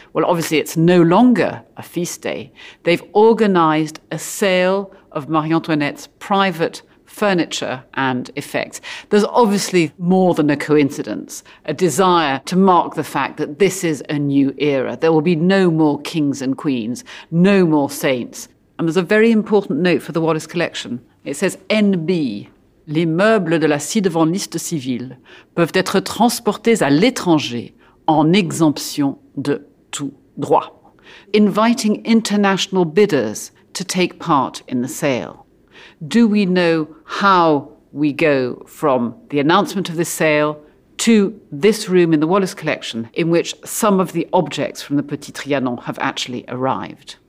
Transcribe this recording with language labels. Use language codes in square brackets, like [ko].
[en] Well, obviously, it's no longer a feast day. They've organized a sale of Marie Antoinette's private furniture and effects. There's obviously more than a coincidence, a desire to mark the fact that this is a new era. There will be no more kings and queens, no more saints. And there's a very important note for the Wallace collection. It says [fr] NB, les meubles de la ci-devant liste civile peuvent être transportés à l'étranger en exemption de tout droit. [en] Inviting international bidders to take part in the sale. Do we know how we go from the announcement of this sale to this room in the Wallace collection in which some of the objects from the Petit Trianon have actually arrived?